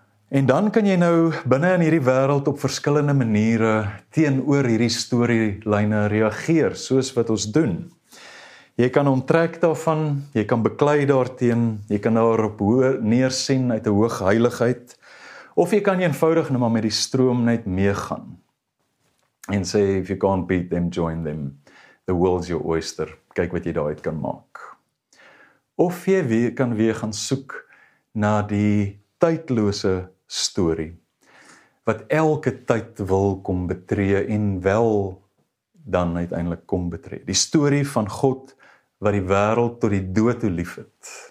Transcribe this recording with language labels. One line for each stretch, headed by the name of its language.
Afrikaans: En dan kan jy nou binne in hierdie wêreld op verskillende maniere teenoor hierdie storielyne reageer, soos wat ons doen. Jy kan onttrek daarvan, jy kan beklei daarteen, jy kan daarop neersien uit 'n hoë heiligheid, of jy kan eenvoudig net maar met die stroom net meegaan. En sê,
English: if you can't beat them, join them. The world's your oyster.
Afrikaans: Kyk wat jy daaruit kan maak. Of jy kan weer gaan soek na die tydlose story, wat elke tyd wil kom betree en wel dan uiteindelik kom betree. Die story van God, wat die wêreld tot die dood toe lief het.